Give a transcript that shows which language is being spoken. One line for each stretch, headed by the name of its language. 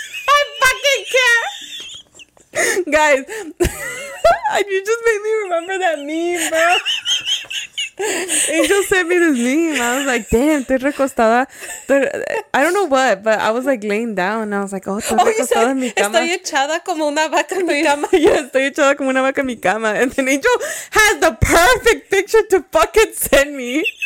English: I fucking care. Guys. You just made me remember that meme, bro. Angel sent me this meme. I was like, damn,
Spanish: te recostada.
English: I don't know what, but I was like laying down. And I was like, oh,
Spanish: te recostada en mi cama. Estoy echada como una vaca en mi cama. Yeah, estoy echada como una vaca en mi cama.
English: And then Angel has the perfect picture to fucking send me.